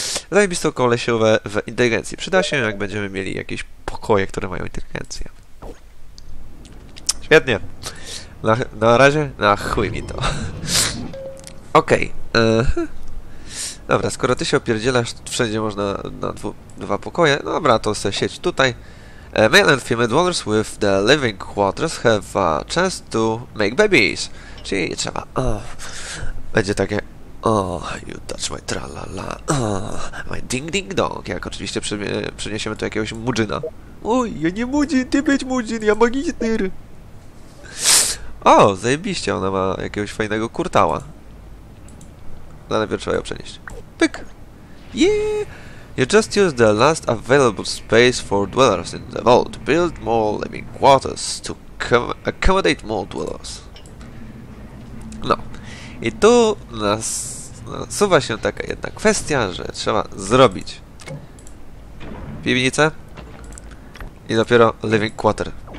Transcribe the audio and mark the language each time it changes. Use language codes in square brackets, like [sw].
[pl] Zajebistą kolesiowe w inteligencji. Przyda się, jak będziemy mieli jakieś pokoje, które mają inteligencję. Świetnie. Na razie, na chuj mi to. Okej. Dobra, skoro ty się opierdzielasz, wszędzie można na dwa pokoje. Dobra, to se siedź tutaj. [en] Male and female dwellers with the living quarters have a chance to make babies. [pl] Czyli trzeba. Oh. Będzie takie. [en] Oh, you touch my tra-la-la. Oh, my ding-ding-dong. [pl] Jak oczywiście przyniesiemy tu jakiegoś Mudżina. Oj, ja nie Mudżin, ty być Mudżin, ja magister. O, zajebiście, ona ma jakiegoś fajnego kurtała. Ale najpierw trzeba ją przenieść. [en] Pyk. Yeah. You just use the last available space for dwellers in the vault. Build more living quarters to accommodate more dwellers. [pl] No. I tu nasuwa się taka jedna kwestia, że trzeba zrobić piwnicę i dopiero living quarter.